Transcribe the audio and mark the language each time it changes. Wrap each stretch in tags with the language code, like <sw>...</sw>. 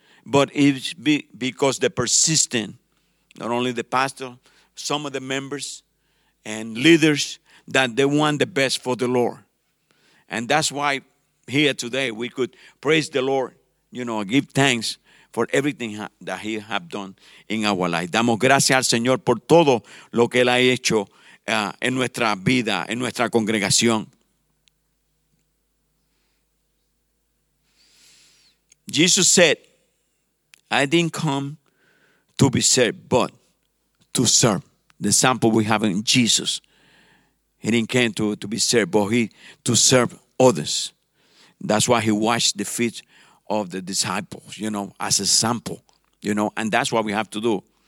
<en>But it's because the persistent, not only the pastor, some of the members and leaders, that they want the best for the Lord. And that's why here today we could praise the Lord, you know, give thanks for everything that he has done in our life.</en> <es>Damos gracias al Señor por todo lo que él ha hecho en nuestra vida, en nuestra congregación.</es> <en>Jesus said, I didn't come to be served, but to serve. The example we have in Jesus. He didn't come to be served, but he to serve others. That's why he washed the feet of the disciples, you know, as a sample, you know, and that's what we have to do.</en>